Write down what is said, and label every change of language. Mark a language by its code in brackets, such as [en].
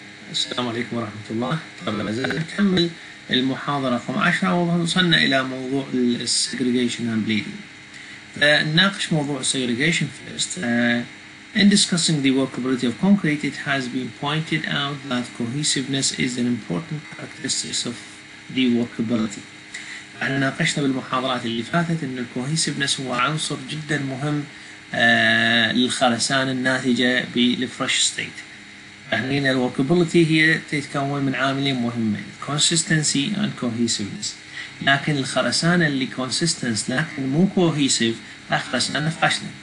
[ar] السلام عليكم ورحمة الله. قبل ما نكمل المحاضرة 15 وصلنا إلى موضوع الـ segregation and bleeding. فنناقش موضوع segregation first. [en] In discussing the workability of concrete, it has been pointed out that cohesiveness is an important characteristic of the workability. [ar] احنا ناقشنا بالمحاضرات اللي فاتت ان الكوهيسيفنس هو عنصر جدا مهم للخلسان الناتجة بالفرش ستيت. احنا هنا الوركابلتي هي تتكون من عاملين مهمين [en] consistency and cohesiveness. [ar] لكن الخلسان اللي consistence لكن مو كوهيسيف الخلسان فاشل.